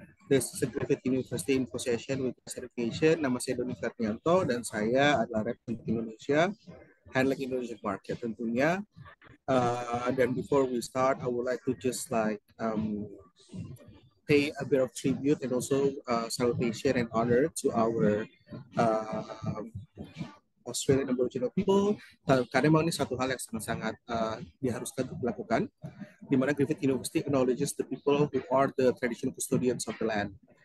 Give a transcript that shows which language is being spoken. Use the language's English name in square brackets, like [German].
[English] This is a Griffith University in possession with certification. [Indonesian] Nama saya Doni Fernianto dan saya adalah rep untuk Indonesia, [English] handling Indonesian market [Indonesian] tentunya. [English] Dan before we start, I would like to just like pay a bit of tribute and also salutation and honor to our Australian Aboriginal people. [Indonesian] Karena memang ini satu hal yang sangat-sangat diharuskan untuk dilakukan, di mana [English] Griffith University acknowledges the people who are the traditional custodians of the land.